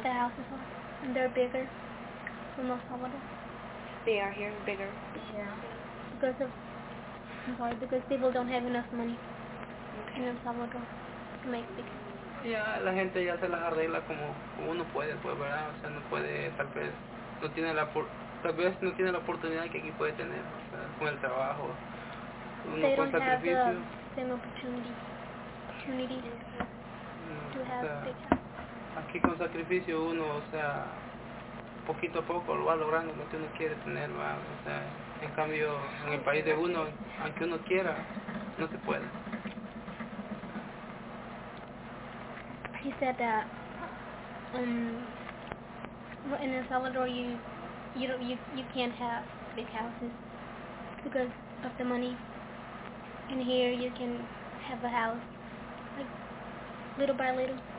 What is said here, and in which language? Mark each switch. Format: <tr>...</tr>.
<en>The houses are, and they're bigger than most of them. They are here bigger. Yeah. Because of, I'm sorry, because people don't have enough money in El Salvador to make big.</en> <es>Yeah, la gente ya se las arregla como uno puede, pues, ¿verdad? O sea, no puede, tal vez no tiene la oportunidad que aquí puede tener, o sea, con el trabajo.</es> <en>They don't have the same opportunity to have big houses.</en> <es>Aquí con sacrificio uno, o sea, poquito a poco lo va logrando lo que uno quiere tener, va, o sea, en cambio en el país de uno, aunque uno quiera, no se puede.</es> <en>He said that in El Salvador you can't have big houses because of the money. In here you can have a house like little by little.</en>